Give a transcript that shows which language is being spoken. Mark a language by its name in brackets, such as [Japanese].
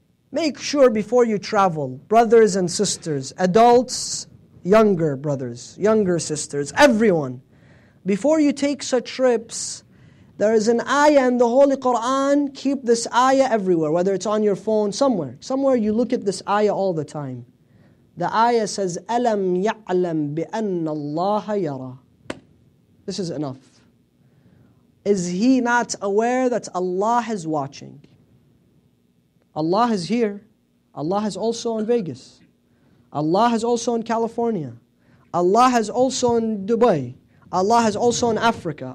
[English] Make sure before you travel, brothers and sisters, adults, younger brothers, younger sisters, everyone, before you take such trips, there is an ayah in the Holy Quran. Keep this ayah everywhere, whether it's on your phone, somewhere. Somewhere you look at this ayah all the time. The ayah says, [Arabic] أَلَمْ يَعْلَمْ بِأَنَّ اللَّهَ يَرَى. [English] This is enough. Is he not aware that Allah is watching? Allah is here. Allah is also in Vegas. Allah is also in California. Allah is also in Dubai. Allah is also in Africa.